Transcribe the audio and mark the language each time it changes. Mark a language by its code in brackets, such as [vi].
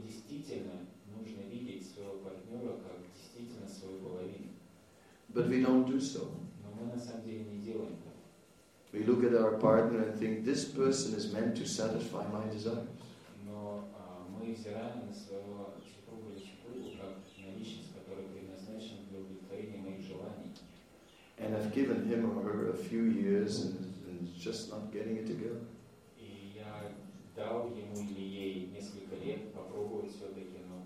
[ru] Нужно видеть своего партнера как действительно свою половину. [en] But we don't do so. [ru] Но мы на самом деле не делаем так. [en] We look at our partner and think this person is meant to satisfy my desires. [ru] Но мы взираем на своего супруга или супругу как на личность, которая предназначена для удовлетворения моих желаний. [en] And I've given him or her a few years and just not getting it together. [ru] И я дал ему или ей несколько лет попробовать все-таки.